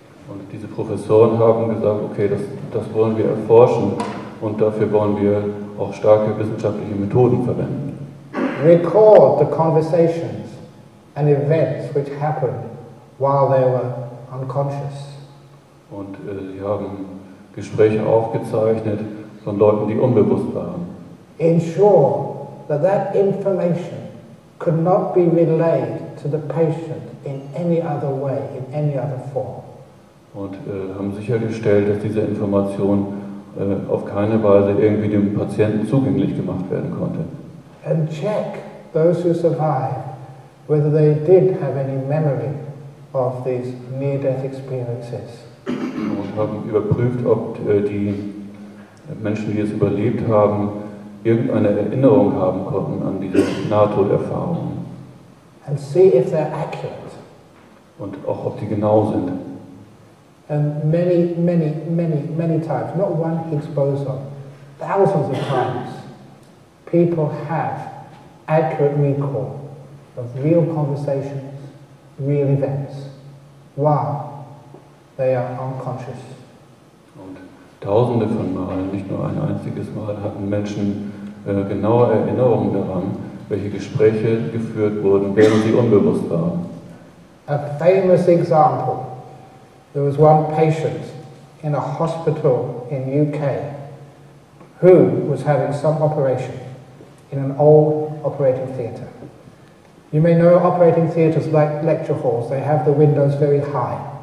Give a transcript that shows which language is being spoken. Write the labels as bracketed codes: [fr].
[de] Und diese Professoren haben gesagt, okay, das wollen wir erforschen und dafür wollen wir auch starke wissenschaftliche Methoden verwenden. [en] Record the conversations and events which happened while they were unconscious. [de] Und sie haben Gespräche aufgezeichnet von Leuten, die unbewusst waren. [en] Ensure that information could not be relayed to the patient in any other way, in any other form. [de] Und haben sichergestellt, dass diese Information auf keine Weise irgendwie dem Patienten zugänglich gemacht werden konnte. [en] And check those who survived, whether they did have any memory of these near-death experiences. [de] Und haben überprüft, ob die Menschen, die es überlebt haben, irgendeine Erinnerung haben konnten an diese Nahtoderfahrungen. [en] And see if they're accurate. [de] Und auch, ob die genau sind. [en] And many, many, many, many times, not one Higgs boson, thousands of times, people have accurate recall of real conversations, real events, while they are unconscious. [de] Und tausende von Malen, nicht nur ein einziges Mal, hatten Menschen genaue Erinnerungen daran, welche Gespräche geführt wurden, während sie unbewusst waren. [en] A famous example. There was one patient in a hospital in UK who was having some operation in an old operating theatre. You may know operating theatres like lecture halls, they have the windows very high.